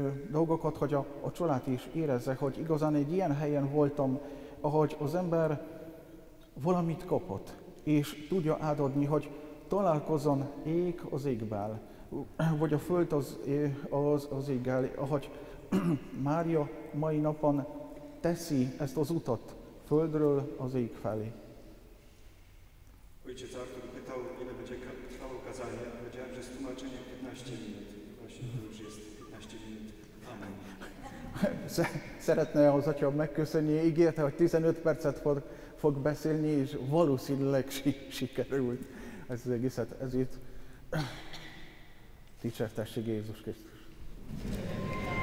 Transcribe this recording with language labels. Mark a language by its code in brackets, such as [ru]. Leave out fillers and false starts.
[hu] dolgokat, hogy a család is érezze, hogy igazán egy ilyen helyen voltam, ahogy az ember valamit kapott, és tudja átadni, hogy találkozzon ég az égbel, vagy a föld az éggel, ahogy Mária mai napon teszi ezt az utat földről az ég felé. [pl] Ojciec Artur pytał, ile będzie trwało kazanie. Powiedziałem, że z tłumaczeniem 15 minut. Właśnie to już jest 15 minut. Amen. [hu] Szeretne az atya megköszönni. Ígérte, hogy 15 percet fog beszélni, és valószínűleg sikerült ez az egészet. Ez itt. Dicsértessék Jézus Krisztus. [en] Thank you.